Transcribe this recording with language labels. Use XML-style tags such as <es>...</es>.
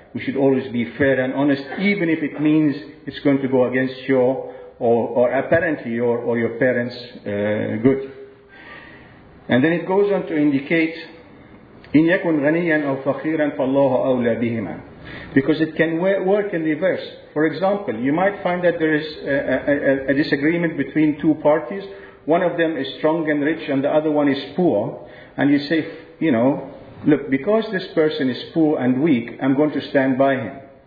<en>We should always be fair and honest, even if it means it's going to go against your or apparently your parents' good. And then it goes on to indicate,</en> <ar>إِنْ يَكُنْ غَنِيًّا أَوْ فَخِيرًا فَاللَّهُ أَوْلَى بِهِمَا.</ar> <en>Because it can work in reverse. For example, you might find that there is a disagreement between two parties. One of them is strong and rich and the other one is poor. And you say, you know, look, because this person is poor and weak, I'm going to stand by him.</en>